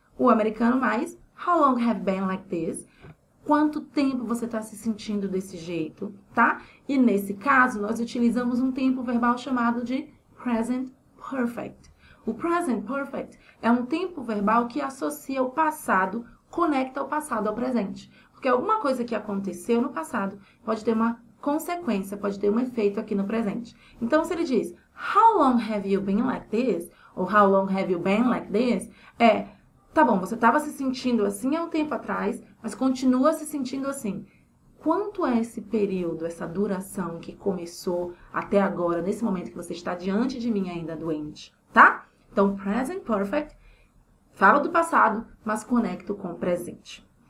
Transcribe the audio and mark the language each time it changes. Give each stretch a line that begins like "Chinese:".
Portuguese: O americano mais:
English: How long have been like this?
Portuguese: Quanto tempo você está se sentindo desse jeito, tá? E nesse caso, nós utilizamos um tempo verbal chamado de present perfect. O present perfect é um tempo verbal que associa o passado, conecta o passado ao presente. Porque alguma coisa que aconteceu no passado pode ter uma consequência, pode ter um efeito aqui no presente. Então, se ele diz:
English: How long have you been like this?
Portuguese: Ou
English: How long have you been like this?
Portuguese: É, tá bom, você estava se sentindo assim há um tempo atrás, mas continua se sentindo assim. Quanto é esse período, essa duração que começou até agora, nesse momento que você está diante de mim ainda doente, tá? Então, present perfect, fala do passado, mas conecto com o presente.